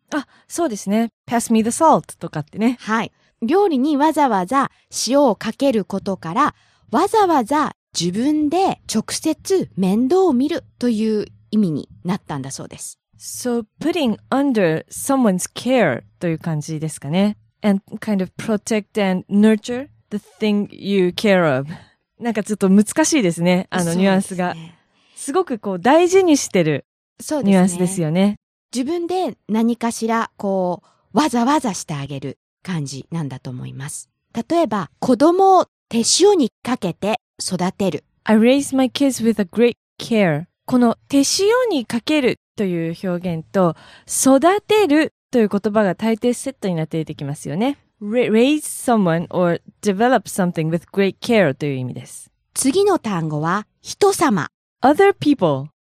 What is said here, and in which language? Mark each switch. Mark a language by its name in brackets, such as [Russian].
[Japanese] あ、そうですね。 [English] Pass me the salt [Japanese] とかってね。はい。料理にわざわざ塩をかけることから、わざわざ自分で直接面倒を見るという意味になったんだそうです。 [English] So, putting under someone's care [Japanese] という感じですかね。 [English] And kind of protect and nurture the thing you care of. [Japanese] なんかちょっと難しいですね、あのニュアンスが。すごくこう大事にしてるニュアンスですよね。自分で何かしらこうわざわざしてあげる感じなんだと思います。例えば、子供を手塩にかけて育てる。 [English] I raise my kids with a great care. [Japanese] この手塩にかけるという表現と育てるという言葉が大抵セットになって出てきますよね。 [English] Raise someone or develop something with great care [Japanese] という意味です。次の単語は人様。 [English] Other people。